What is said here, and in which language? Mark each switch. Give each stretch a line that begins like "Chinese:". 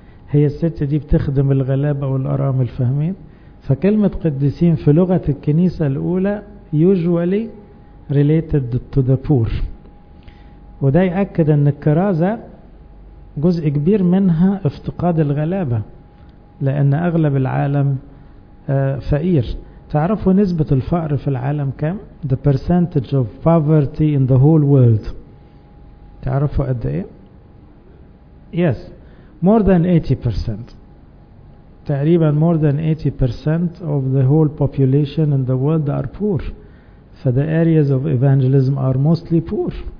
Arabic: هي الست دي بتخدم الغلابة والأرامل، فاهمين؟ فكلمة قديسين في لغة الكنيسة الأولى
English: usually related to the poor،
Arabic: وده يأكد أن الكرازة جزء كبير منها افتقاد الغلابة، لأن أغلب العالم فقير. تعرفوا نسبة الفقر في العالم كم؟
English: The percentage of poverty in the whole world.
Arabic: تعرفوا قد ايه؟
English: Yes, more than 80%. تقريبا more than 80% of the whole population in the world are poor. So the areas of evangelism are mostly poor.